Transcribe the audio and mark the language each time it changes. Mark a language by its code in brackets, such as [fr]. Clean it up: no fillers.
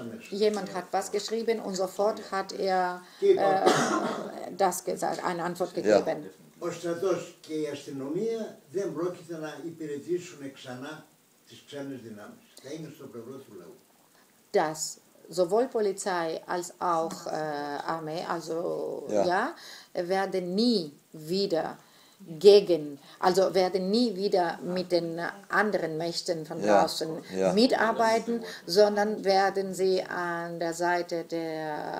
[de] Jemand hat was geschrieben und sofort hat er das gesagt, eine Antwort gegeben. [el] Ο στρατός και η αστυνομία δεν πρόκειται να υπηρετήσουν ξανά τις ξένες δυνάμεις. Θα είναι στο πλευρό του λαού. [de] Das sowohl Polizei als auch Armee, also ja, werden nie wieder gegen, also werden nie wieder mit den anderen Mächten von draußen mitarbeiten, sondern werden sie an der Seite der